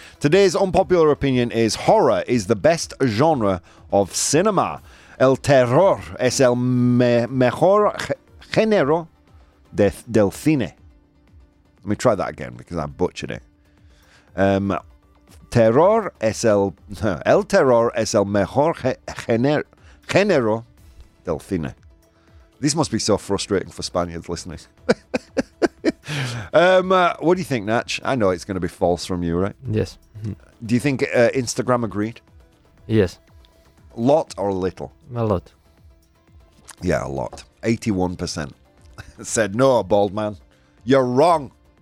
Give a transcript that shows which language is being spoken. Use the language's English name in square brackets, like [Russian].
[English] Today's unpopular opinion is horror is the best genre of cinema. [Spanish] El terror es el mejor género del cine. [English] Let me try that again because I butchered it. [Spanish] Terror es el terror es el mejor género del cine. [English] This must be so frustrating for Spaniards listening. what do you think, Natch? I know it's going to be false from you, right? Yes. Do you think Instagram agreed? Yes. Lot or little? A lot. Yeah, a lot. 81% said no, bald man. You're wrong.